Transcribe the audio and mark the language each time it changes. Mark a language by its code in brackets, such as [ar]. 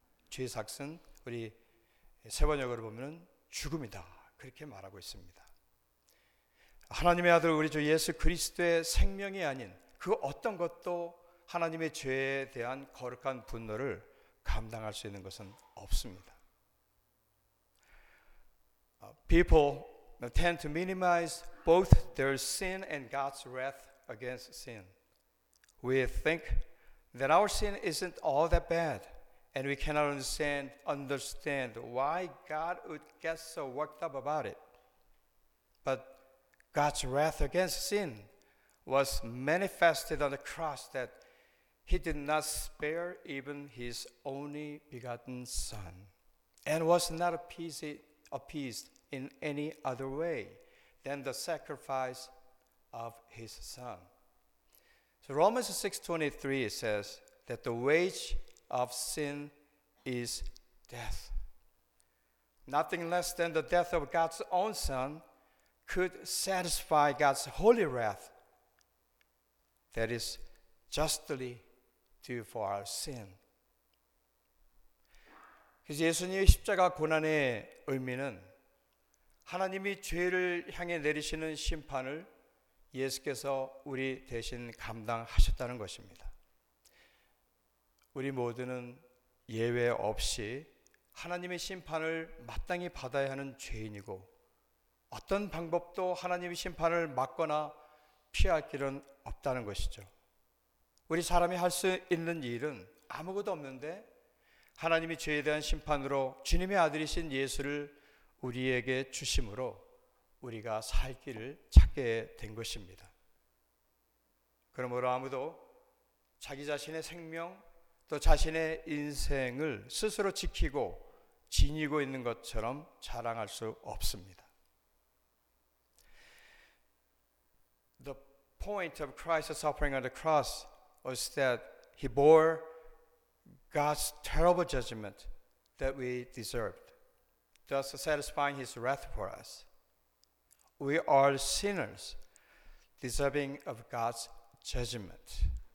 [ko] 죄의 삭은 우리 세번역으로 보면 죽음이다. 그렇게 말하고 있습니다. 하나님의 아들 우리 주 예수 그리스도의 생명이 아닌 그 어떤 것도 하나님의 죄에 대한 거룩한 분노를 감당할 수 있는 것은 없습니다. [en] People tend to minimize both their sin and God's wrath against sin. We think that our sin isn't all that bad, and we cannot understand why God would get so worked up about it. But God's wrath against sin was manifested on the cross that he did not spare even his only begotten son and was not appeased in any other way than the sacrifice of his son. So Romans 6:23 says that the wage of sin is death. Nothing less than the death of God's own son could satisfy God's holy wrath that is justly due for our sin. [ko] 그래서 예수님의 십자가 고난의 의미는 하나님이 죄를 향해 내리시는 심판을 예수께서 우리 대신 감당하셨다는 것입니다. 우리 모두는 예외 없이 하나님의 심판을 마땅히 받아야 하는 죄인이고 어떤 방법도 하나님의 심판을 막거나 피할 길은 없다는 것이죠. 우리 사람이 할 수 있는 일은 아무것도 없는데 하나님이 죄에 대한 심판으로 주님의 아들이신 예수를 우리에게 주심으로 우리가 살 길을 찾게 된 것입니다. 그러므로 아무도 자기 자신의 생명 또 자신의 인생을 스스로 지키고 지니고 있는 것처럼 자랑할 수 없습니다. [en] The point of Christ's suffering on the cross was that he bore God's terrible judgment that we deserved, thus satisfying his wrath for us. We are sinners, deserving of God's judgment.